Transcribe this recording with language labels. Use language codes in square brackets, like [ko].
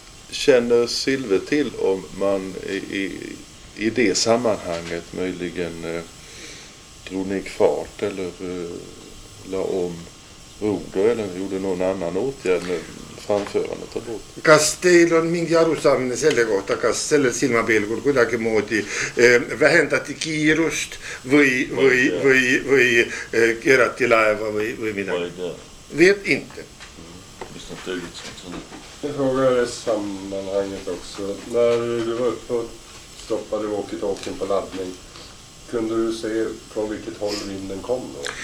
[sv] Känner Silve till om man i det sammanhanget möjligen drog ner fart eller la om roder eller gjorde någon annan åtgärd med framförandet av båt? [et] Kas teil on mingi arusaamine selle kohta, kas sellel silmapilgul kuidagi moodi vähendati kiirust või kerati laeva või mida? Ma ei tea. [sv] Viet inte. [et] Mis nad tõlgid sa? [sv] Fråga är sammanhanget också. När du var uppe och stoppade walkie-talkien på laddning, kunde du se från vilket håll vinden kom då?